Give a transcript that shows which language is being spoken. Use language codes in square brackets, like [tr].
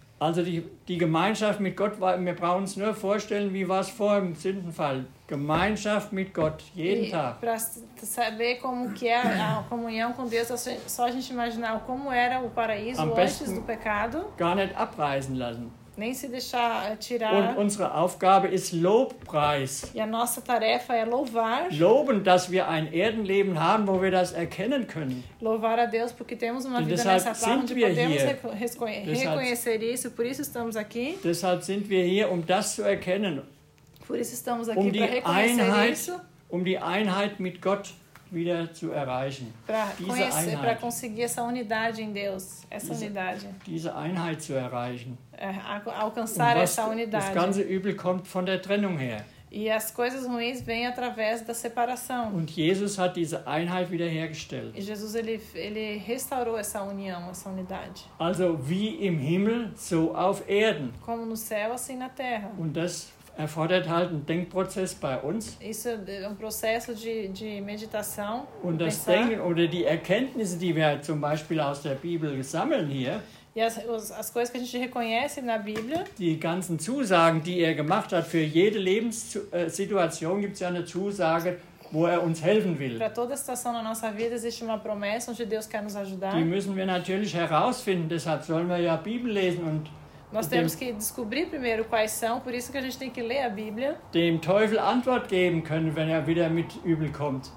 [de] Also die Gemeinschaft mit Gott, wir brauchen uns nur vorstellen, wie war es vor dem Sündenfall. Gemeinschaft mit Gott, jeden Tag. [pt] Para saber como que é a comunhão com Deus, só a gente imaginar como era o paraíso antes do pecado. [de] Gar nicht abreisen lassen. [pt] Nem se deixar tirar. [de] Und unsere Aufgabe ist Lobpreis. [pt] E a nossa tarefa é louvar. [de] Loben, dass wir ein Erdenleben haben, wo wir das erkennen können. [pt] Louvar a Deus porque temos uma [de] Und [pt] vida nessa terra [de] sind [pt] onde [de] wir [pt] podemos [de] hier. [pt] Reconhecer [de] deshalb, [pt] isso, por isso estamos aqui. [de] Deshalb sind wir hier, um das zu erkennen. [pt] Por isso estamos aqui, [de] um [pt] para reconhecer [de] Einheit, [pt] isso. [de] Um die Einheit mit Gott wieder zu erreichen. [pt] Para conseguir essa unidade em Deus, essa [de] diese, [pt] unidade. [de] Diese Einheit zu erreichen. [pt] Alcançar essa unidade. [de] Das ganze Übel kommt von der Trennung her. [pt] E as coisas ruins vêm através da separação. [de] Und Jesus hat diese Einheit wiederhergestellt. [pt] E Jesus ele restaurou essa união, essa unidade. [de] Also wie im Himmel, so auf Erden. [pt] Como no céu, assim na terra. [de] Und das erfordert halt einen Denkprozess bei uns. [pt] Isso é um processo de meditação. [de] Und das Denken oder die Erkenntnisse, die wir zum Beispiel aus der Bibel sammeln hier. [pt] E as coisas que a gente reconhece na Bíblia. [de] Die ganzen Zusagen, die er gemacht hat, für jede Lebenssituation gibt es ja eine Zusage, wo er uns helfen will. [pt] Para toda situação na nossa vida existe uma promessa onde Deus quer nos ajudar. [de] Die müssen wir natürlich herausfinden, deshalb sollen wir ja Bibel lesen und [pt] nós temos que descobrir primeiro quais são, por isso que a gente tem que ler a Bíblia. [de] Dem Teufel Antwort geben können, wenn er wieder mit Übel kommt.